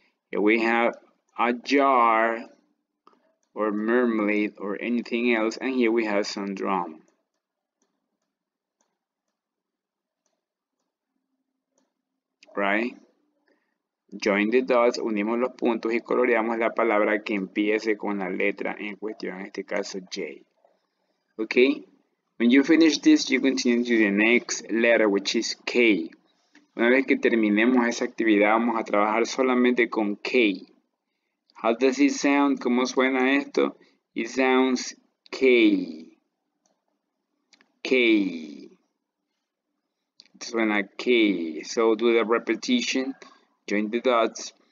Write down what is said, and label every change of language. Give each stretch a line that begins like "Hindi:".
English: Here we have a jar or marmalade or anything else. And here we have some drum. Right. Join the dots.
Spanish: Unimos los puntos y coloreamos la palabra que empiece con la letra en cuestión. En este caso, J.
English: Okay, when you finish this, you continue to the next letter, which is K.
Spanish: Una vez que terminemos esa actividad, vamos a trabajar solamente con K.
English: How does it sound?
Spanish: ¿Cómo suena esto?
English: It sounds K. K.
Spanish: Suena K.
English: So do the repetition, join the dots.